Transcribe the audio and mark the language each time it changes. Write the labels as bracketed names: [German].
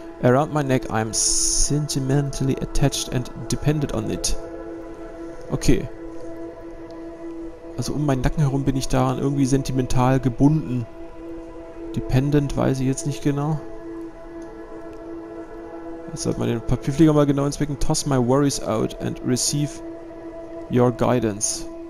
[English] Around my neck, I'm sentimentally attached and dependent on it. Okay. [German] Also um meinen Nacken herum bin ich daran irgendwie sentimental gebunden. Dependent weiß ich jetzt nicht genau. Jetzt sollte man den Papierflieger mal genau inspecten. [English] Toss my worries out and receive your guidance.